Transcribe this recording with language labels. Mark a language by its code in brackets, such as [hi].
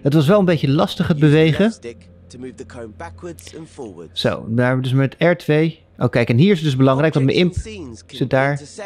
[nl] Het was wel een beetje lastig het bewegen. [en] To move the cone backwards and forwards. [nl] Zo, daar hebben we dus met R2. Oh, kijk, en hier is het dus belangrijk, want mijn imp zit daar.